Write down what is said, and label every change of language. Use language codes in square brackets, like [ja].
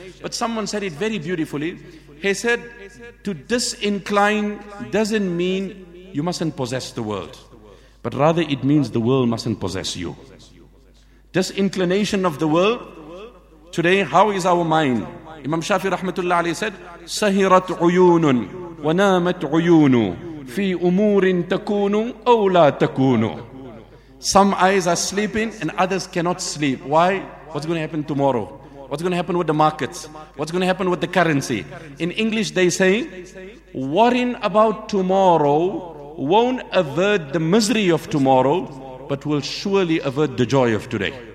[en] But someone said it very beautifully. He said, to disincline doesn't mean you mustn't possess the world, but rather it means the world mustn't possess you. This inclination of the world, today, how is our mind? Imam Shafi rahmatullah alayhi said, [ar] سَهِرَتْ عُيُونٌ وَنَامَتْ عُيُونُ فِي أُمُورٍ تَكُونُ أَوْ لَا تَكُونُ. [en] Some eyes are sleeping and others cannot sleep. Why? What's going to happen tomorrow? What's going to happen with the markets? What's going to happen with the currency? In English, they say, worrying about tomorrow won't avert the misery of tomorrow, but will surely avert the joy of today.